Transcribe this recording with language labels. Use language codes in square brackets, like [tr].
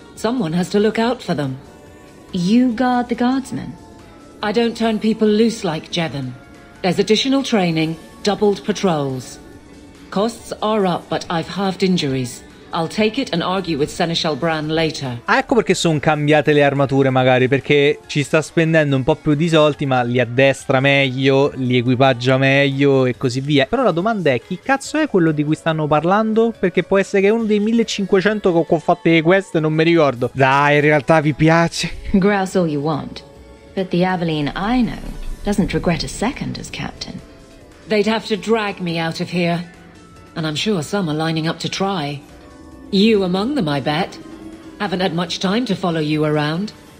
[en] Someone has to look out for them. You guard the guardsmen? I don't turn people loose like Jevon. There's additional training, doubled patrols. Costs are up, but I've halved injuries. I'll take it and argue with Seneschal Bran later. [it] Ah, ecco perché sono cambiate le armature, magari, perché ci sta spendendo un po' più di soldi, ma li addestra meglio, li equipaggia meglio e così via. Però la domanda è, chi cazzo è quello di cui stanno parlando? Perché può essere che è uno dei 1500 che ho fatto queste, non mi ricordo. Dai, in realtà vi piace? [en] Grouse all you want, but the Aveline I know doesn't regret a second as captain. They'd have to drag me out of here, and I'm sure some are lining up to try. You among them, I bet. Haven't had much time to follow you around.